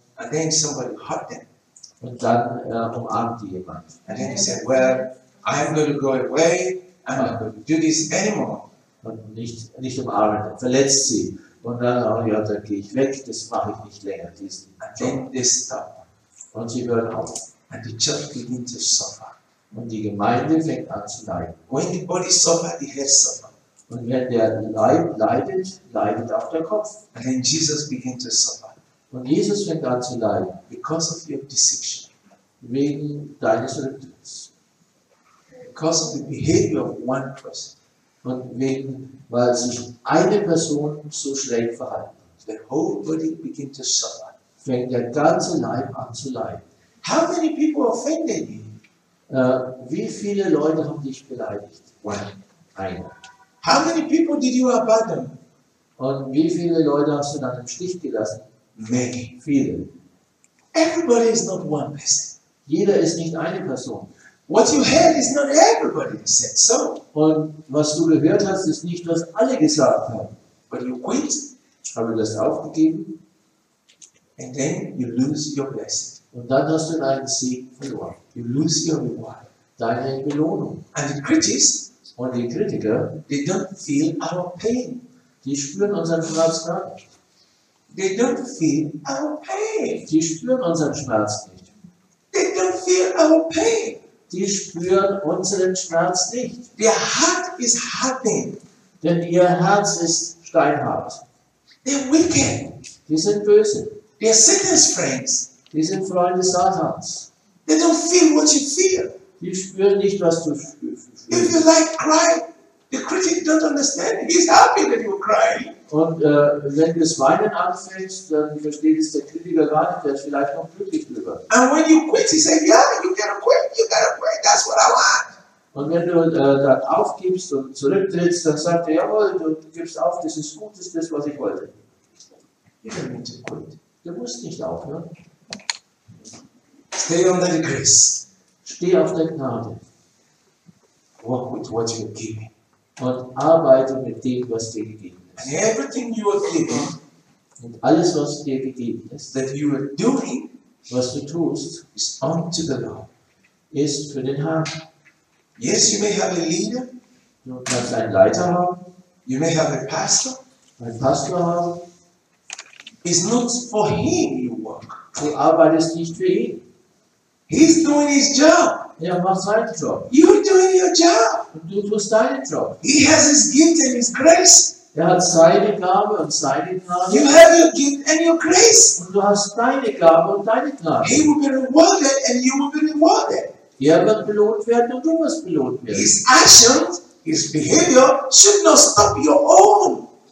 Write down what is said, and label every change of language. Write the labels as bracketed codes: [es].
[en] And then somebody hurt them. [de] Und dann umarmt die jemand. [en] And then he said, well, I'm going to go away. I'm not going to do this anymore. [de] und nicht umarmt, verletzt sie. Und dann auch, ja, dann gehe ich weg, das mache ich nicht länger, diesen Agentenstab. Und sie hören auf. [en] And the church begins to suffer. [de] Und die Gemeinde fängt an zu leiden. [en] When the body suffers, the head suffers. [de] Und wenn der Leib leidet, leidet auch der Kopf. [en] And then Jesus begins to suffer. [de] Und Jesus fängt an zu leiden. [en] Because of your deception. [de] Wegen deines Lügens. [en] Because of the behavior of one person. [de] Und wegen, weil sich eine Person so schlecht verhalten hat. [en] The whole body begins to suffer. [de] Fängt der ganze Leib an zu leiden. [en] How many people offended you? [de] Wie viele Leute haben dich beleidigt? [en] One. [de] Einer. [en] How many people did you abandon? [de] Und wie viele Leute hast du dann im Stich gelassen? [en] Many. [de] Viele. [en] Everybody is not one person. [de] Jeder ist nicht eine Person. [en] What you heard is not everybody said so. [de] Und was du gehört hast, ist nicht, was alle gesagt haben. [en] But you quit. [de] Habe das aufgegeben. [en] And then you lose your blessing. [de] Und dann hast du deinen Sieg verloren. [en] You lose your reward. [de] Deine Belohnung. [en] And the critics, [de] und die Kritiker, [en] they don't feel our pain. [de] Die spüren unseren Schmerz gar nicht. [en] They don't feel our pain. [de] Die spüren unseren Schmerz nicht. [en] They don't feel our pain. [de] Die spüren unseren Schmerz nicht. [en] Their heart is hardened. [de] Denn ihr Herz ist steinhart. [en] They're wicked. [de] Die sind böse. [en] They're Satan's friends. [de] Die sind Freunde Satans. [en] They don't feel what you feel. [de] Die spüren nicht, was du fühlst. [en] If you like crying, the critic don't understand. He's happy that you're crying. [de] Und wenn du das Weinen anfängst, dann versteht es der Kritiker gar nicht, der ist vielleicht noch glücklich drüber. [en] And when you quit, he said, yeah, you gotta quit, you gotta quit, that's what I want. [de] Und wenn du dann aufgibst und zurücktrittst, dann sagt er, jawohl, du gibst auf, das ist gut, das ist das, was ich wollte. [en] You don't need to quit. [de] Du musst nicht aufhören. [en] Stay under the grace. [de] Steh auf der Gnade. [en] Work with what you're giving. [de] Und arbeite mit dem, was dir gegeben ist. [en] And everything you are giving, [de] und alles, was dir gegeben ist, [en] that you are doing, [de] was du tust, [en] is unto the Lord. [de] Ist für den Herrn. [en] Yes, you may have a leader. [de] Du kannst einen Leiter haben. [en] You may have a pastor. [de] Einen Pastor haben. [en] It's not for him you work. [de] Du arbeitest nicht für ihn. [en] He's doing his job. [de] Er macht seinen Job. [en] You're doing your job. [de] Und du tust deinen Job. [en] He has his gift and his grace. [de] Er hat seine Gabe und seine Gnade. [en] You have your gift and your grace. [de] Und du hast deine Gabe und deine Gnade. [en] He will be rewarded and you will be rewarded. [de] Er wird belohnt werden und du wirst belohnt werden. [en] His actions, his behavior should not stop your own.